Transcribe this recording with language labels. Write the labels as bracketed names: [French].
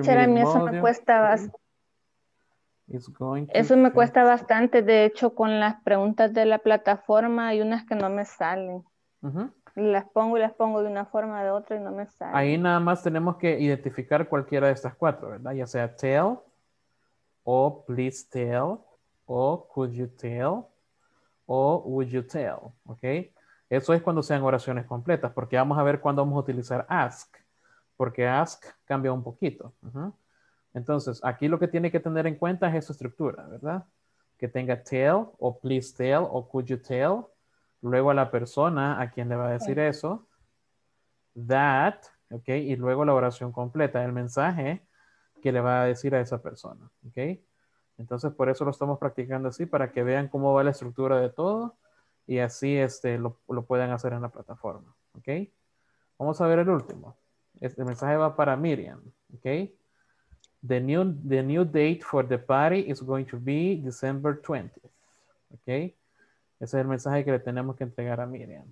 [Spanish] module. Teacher, a mí eso me cuesta bastante. [English] It's going to [Spanish] Eso me cuesta bastante, de hecho, con las preguntas de la plataforma, hay unas que no me salen. Las pongo de una forma o de otra y no me salen. Ahí nada más tenemos que identificar cualquiera de estas cuatro, ¿verdad? Ya sea tell, o please tell, o could you tell, o would you tell, ¿ok? Eso es cuando sean oraciones completas, porque vamos a ver cuándo vamos a utilizar ask, porque ask cambia un poquito. Entonces, aquí lo que tiene que tener en cuenta es su estructura, ¿verdad? Que tenga tell, o please tell, o could you tell. Luego a la persona a quien le va a decir eso. That, ¿ok? Y luego la oración completa, el mensaje que le va a decir a esa persona, ¿ok? Entonces, por eso lo estamos practicando así, para que vean cómo va la estructura de todo. Y así lo puedan hacer en la plataforma, ¿ok? Vamos a ver el último. Este mensaje va para Miriam, ¿ok? [English] The new date for the party is going to be December 20th. Okay? [Spanish] Ese es el mensaje que le tenemos que entregar a Miriam.